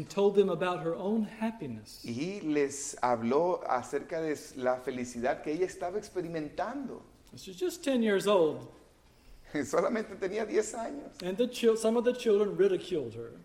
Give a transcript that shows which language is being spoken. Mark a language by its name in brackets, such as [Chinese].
[English] And told them about her own happiness. [Spanish] Y les habló acerca de la felicidad que ella estaba experimentando. [English] She's just 10 years old. [Spanish] Solamente tenía 10 años. [English] And some of the children ridiculed her.